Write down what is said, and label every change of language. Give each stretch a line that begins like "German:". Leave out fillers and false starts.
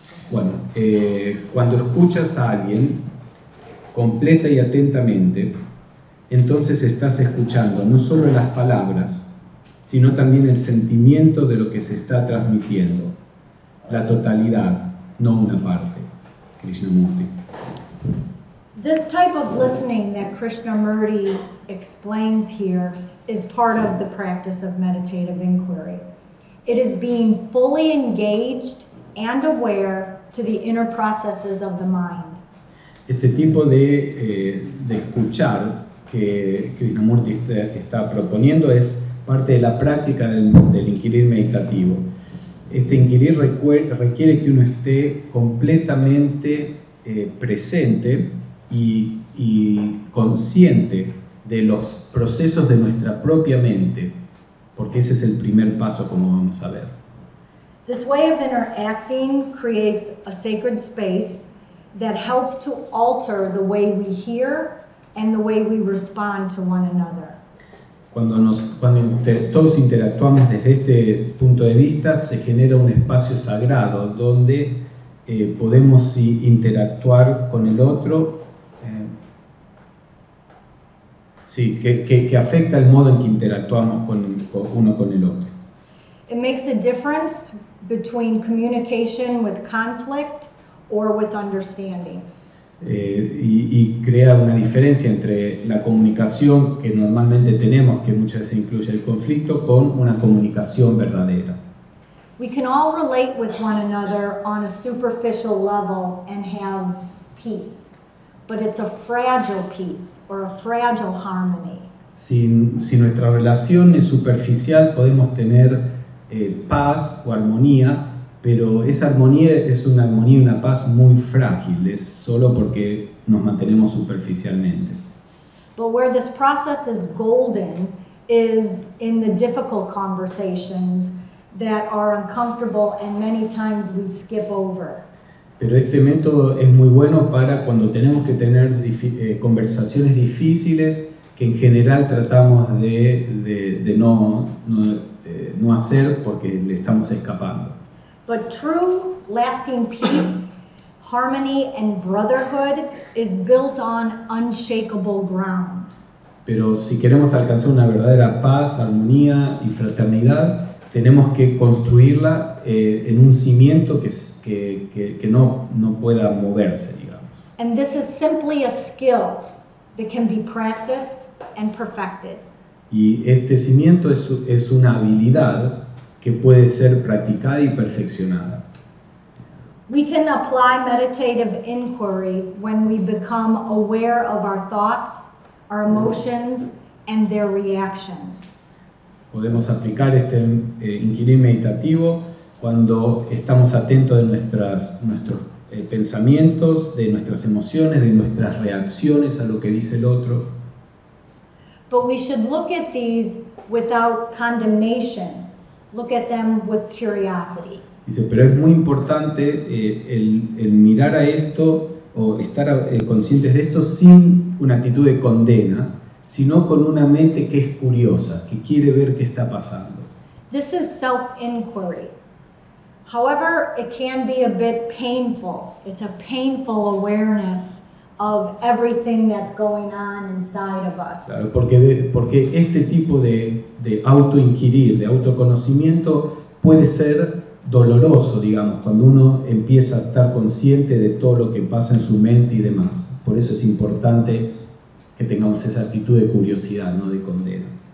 Spanish: Bueno, cuando escuchas a alguien completa y atentamente, entonces estás escuchando no solo las palabras, sino también el sentimiento de lo que se está transmitiendo, la totalidad, no una parte. Krishnamurti.
English: This type of listening that Krishnamurti explains here is part of the practice of meditative inquiry. It is being fully engaged and aware to the inner processes of the mind.
Spanish: Este tipo de escuchar que Krishnamurti está proponiendo es parte de la práctica del inquirir meditativo. Este inquirir requiere que uno esté completamente presente y consciente de los procesos de nuestra propia mente, porque ese es el primer paso, como vamos a ver.
English: This way of interacting creates a sacred space that helps to alter the way we hear and the way we respond to one another.
Spanish: Cuando todos interactuamos desde este punto de vista, se genera un espacio sagrado donde podemos interactuar con el otro. Sí, que afecta el modo en que interactuamos con uno con el otro.
English: It makes a difference between communication with conflict or with understanding.
Spanish: Y crea una diferencia entre la comunicación que normalmente tenemos, que muchas veces incluye el conflicto, con una comunicación verdadera.
English: We can all relate with one another on a superficial level and have peace. But it's a fragile peace or a fragile harmony.
Spanish: Si nuestra relación es superficial, podemos tener paz o armonía, pero esa armonía es una armonía y una paz muy frágil, es solo porque nos mantenemos superficialmente.
English: But where this process is golden is in the difficult conversations that are uncomfortable and many times we skip over.
Spanish: Pero este método es muy bueno para cuando tenemos que tener conversaciones difíciles que en general tratamos de no hacer porque le estamos escapando.
English: But true lasting peace, harmony and brotherhood is built on unshakable ground.
Spanish: Pero si queremos alcanzar una verdadera paz, armonía y fraternidad, tenemos que construirla en un cimiento que no pueda moverse, digamos.
English: And this is simply a skill that can be practiced and perfected.
Spanish: Y este cimiento es una habilidad que puede ser practicada y perfeccionada.
English: We can apply meditative inquiry when we become aware of our thoughts, our emotions, and their reactions.
Spanish: Podemos aplicar este inquirir meditativo cuando estamos atentos de nuestros pensamientos, de nuestras emociones, de nuestras reacciones a lo que dice el otro.
English: But we should look at these without condemnation. Look at them with curiosity.
Spanish: Dice, pero es muy importante el mirar a esto o estar conscientes de esto sin una actitud de condena, sino con una mente que es curiosa, que quiere ver qué está pasando.
English: This is self-inquiry. However, it can be a bit painful. It's a painful awareness of everything that's going on inside of us.
Spanish: Claro, porque este tipo de autoinquirir, de autoconocimiento, puede ser doloroso, digamos, cuando uno empieza a estar consciente de todo lo que pasa en su mente y demás. Por eso es importante que tengamos esa actitud de curiosidad, no de condena.